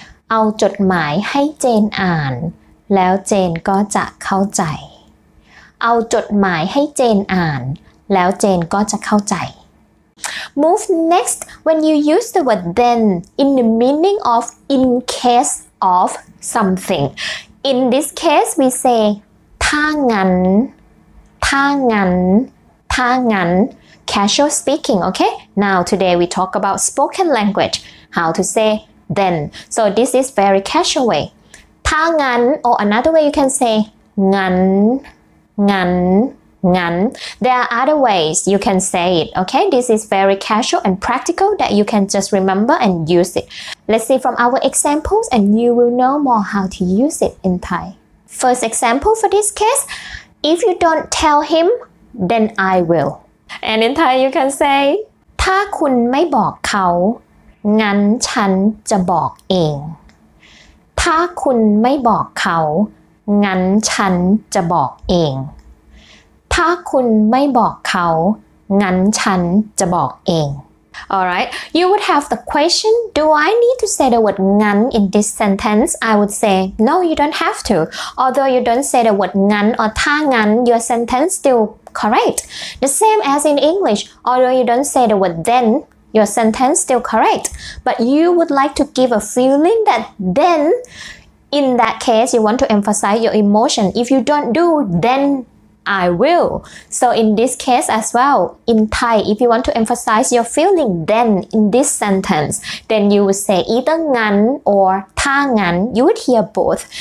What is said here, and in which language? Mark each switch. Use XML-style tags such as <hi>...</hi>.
<th>เอาจดหมายให้เจนอ่านแล้วเจนก็จะเข้าใจ</th> <en>เอาจดหมายให้เจนอ่านแล้วเจนก็จะเข้าใจ Move next when you use the word then in the meaning of in case of something in this case we say</en> <th>ถ้างั้นถ้างั้นถ้างั้น</th> <en>Casual speaking, okay? Now today we talk about spoken language, how to say then. So this is very casual way. ถ้างั้น or another way you can say งั้นงั้นงั้น There are other ways you can say it, okay? This is very casual and practical that you can just remember and use it. Let's see from our examples and you will know more how to use it in Thai. First example for this case, if you don't tell him, then I will. And in Thai you can say</en> <th>ถ้าคุณไม่บอกเขางั้นฉันจะบอกเอง</th> <en>ถ้าคุณไม่บอกเขางั้นฉันจะบอกเองถ้าคุณไม่บอกเขางั้นฉันจะบอกเอง Alright you would have the question do I need to say the word งั้น in this sentence I would say no you don't have to although you don't say the word งั้น or ถ้างั้น your sentence stillCorrect. The same as in English, although you don't say the word then, your sentence still correct. But you would like to give a feeling that then, in that case, you want to emphasize your emotion. If you don't do, then I will. So in this case as well, in Thai, if you want to emphasize your feeling then in this sentence, then you would say either ngan or ta ngan. You would hear both.</en>